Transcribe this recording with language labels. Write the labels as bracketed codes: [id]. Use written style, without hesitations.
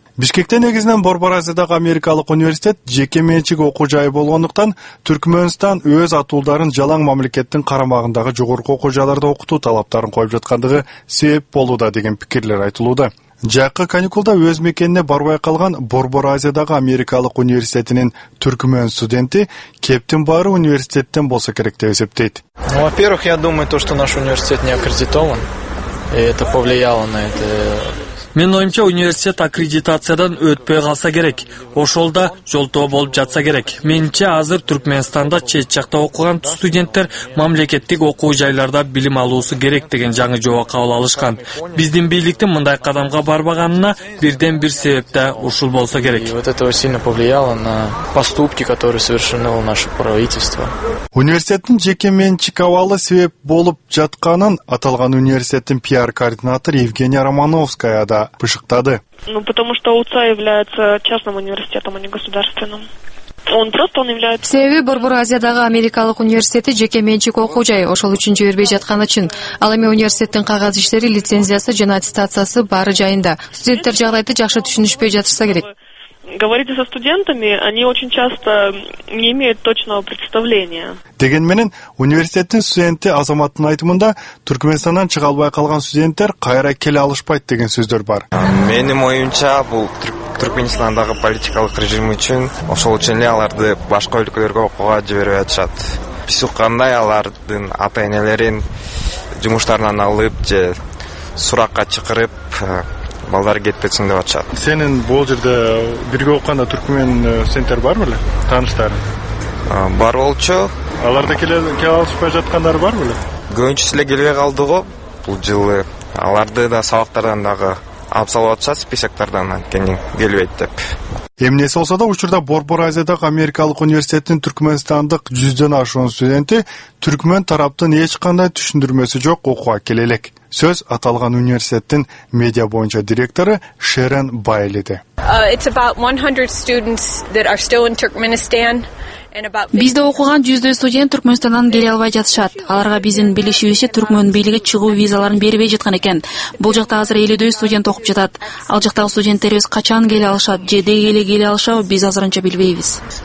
[ky] Бишкекте негизинен Борбор Азиядагы Америкалык университет жеке менчик окуу жайы болгондуктан Түркмөнстан өз атуулдарын жалаң мамлекеттин карамагындагы жогорку окуу жайларда окутуу талаптарын коюп жаткандыгы себеп болууда деген пикирлер айтылууда. Жакы каникулда өз мекенине барбай калган Борбор Азиядагы Америкалык университетинин түркмөн студенти кептин баары университеттен болсо керек деп эсептейт. [ru] Во-первых, я думаю, то, что наш университет не аккредитован, и это повлияло на это. [ky] Менин оюмча университет аккредитациядан өтпөй калса керек. Ошол да жолтоо болуп жатса керек. Менимче азыр Түркмөнстанда чет жакта окуган студенттер мамлекеттик окуу жайларда билим алуусу керек деген жаңы жобо кабыл алышкан. Биздин бийликтин мындай кадамга барбаганына бирден бир себеп да ушул болсо керек. [ru] И вот это сильно повлияло на поступки, которые совершено наше правительство. [ky] Университеттин жеке менчик абалы себеп болуп жатканын аталган университеттин пиар координатору Евгения Романовская да пышыктады. [ru] Ну потому что УЦА является частным университетом, а не государственным. [ky] Себеби Борбор Азиядагы Америкалык университети жеке менчик окуу жай, ошол үчүн жибербей жатканы үчүн. Ал эми университеттин кагаз иштери, лицензиясы жана аттестациясы баары жайында. Студенттер жагдайды жакшы түшүнүшпөй жатышса керек. [ru] Говорите со студентами, они очень часто не имеют точного представления. [ky] Деген менен университеттин студенти Азаматтын айтымында Түркмөнстандан чыга албай калган студенттер кайра келе алышпайт деген сөздөр бар. Менин оюмча бул Түркмөнстандагы политикалык режим үчүн ошол үчүн эле аларды башка өлкөлөргө окууга жиберип атышат. Биз уккандай алардын ата-энелерин жумуштарынан алып же суракка чакырып балдар кетпесин деп атышат. Сенин бул жерде бирге окуганда түркмен центр барбы эле? Тааныштар? Бар болчу. Аларда келе алышпай жаткандар барбы эле? Көбүнчөсү эле келбей калды го бул жылы. Аларды да сабактардан дагы алып салып атышат, списоктордон анткени келбейт деп. Эмнеси болсо да учурда Борбор Азиядагы Америкалык университеттин түркмөнстандык 100 ашуун студенти түркмөн тараптын эч кандай түшүндүрмөсү жок окууга келе элек. Сөз аталган университеттин медиа боюнча директору Шерен Байлиде. [en] It's about 100 students that are still in Turkmenistan. [ky] Бизде окуган 100 студент Түркмөнстандан келе албай жатышат. Аларга биздин билишибизче түркмөн бийлиги чыгуу визаларын бербей жаткан экен. Бул жакта азыр 50 студент окуп жатат. Ал жактагы студенттерибиз качан келе алышат же деги эле келе алышабы биз азырынча билбейбиз.